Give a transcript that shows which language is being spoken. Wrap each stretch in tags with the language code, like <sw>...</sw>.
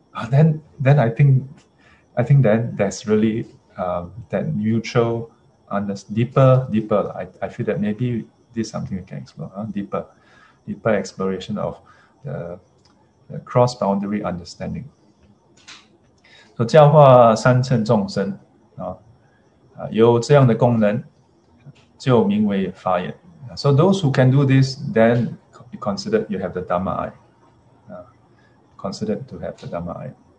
<en>Then I think that there's really that mutual understanding, deeper. I feel that maybe this is something we can explore, deeper exploration of the cross-boundary understanding.</en> <zh>So, 教化三乘众生, 有这样的功能, 就名为法眼.</zh> <en>So, those who can do this, then you consider you have the Dhamma eye. Considered to have the Dhamma eye.</en>